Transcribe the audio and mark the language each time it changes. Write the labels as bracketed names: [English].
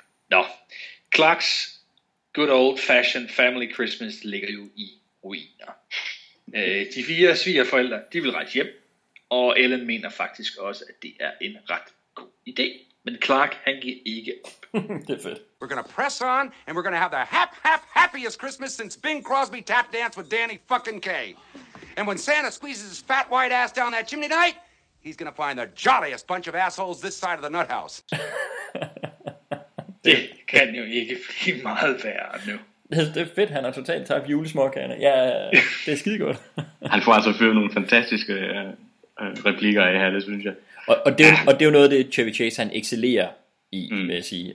[Danish] Nå, Clark's [English] good old fashioned family Christmas [Danish] ligger jo i ruiner. De fire svigerforældre, de vil rejse hjem, og Ellen mener faktisk også, at det er en ret god idé. Men Clark, han giver ikke op. Det er fedt. [English] We're gonna press on, and we're gonna have the happiest Christmas since Bing Crosby tap dance with Danny fucking K. And when Santa squeezes his fat white ass down that chimney night, he's gonna find the jolliest bunch of assholes this side of the nut house. [Danish] Det kan jo ikke blive meget værre nu. Det er fedt, han har totalt tabt julesmokkerne. Ja, det er skidegodt. Han får altså fyret nogle fantastiske replikker af her, det synes jeg. Og det er jo noget af det, Chevy Chase han excellerer i, vil jeg sige.